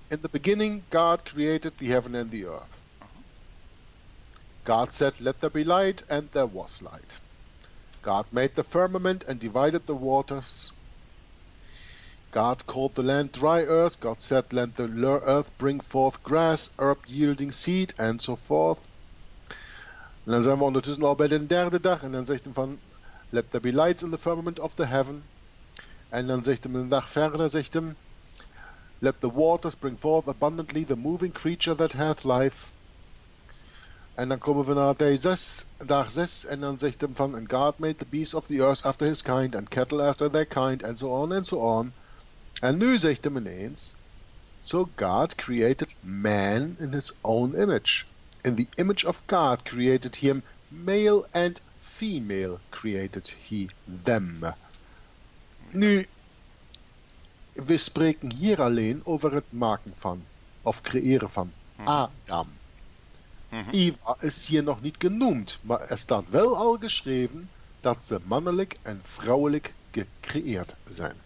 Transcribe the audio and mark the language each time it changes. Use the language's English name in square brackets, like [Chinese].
[English] In the beginning, God created the heaven and the earth. Uh-huh. God said, let there be light, and there was light. God made the firmament and divided the waters. God called the land dry earth. God said, let the earth bring forth grass, herb yielding seed, and so forth. [Dutch] En dan zijn we ondertussen al bij de derde dag. En dan zegt hij van, [English] let there be lights in the firmament of the heaven. [Dutch] En dan zegt hij een dag verder, zegt hij, [English] let the waters bring forth abundantly the moving creature that hath life. [Dutch] En dan komen we naar dag 6, en dan zegt hem van, [English] and God made the beasts of the earth after his kind, and cattle after their kind, and so on, and so on. [Dutch] En nu zegt hem ineens, [English] so God created man in his own image. In the image of God created him, male and female created he them. [Dutch] Nu, we spreken hier alleen over het maken van, of creëren van, Adam. Eva is hier nog niet genoemd, maar er staat wel al geschreven dat ze mannelijk en vrouwelijk gecreëerd zijn.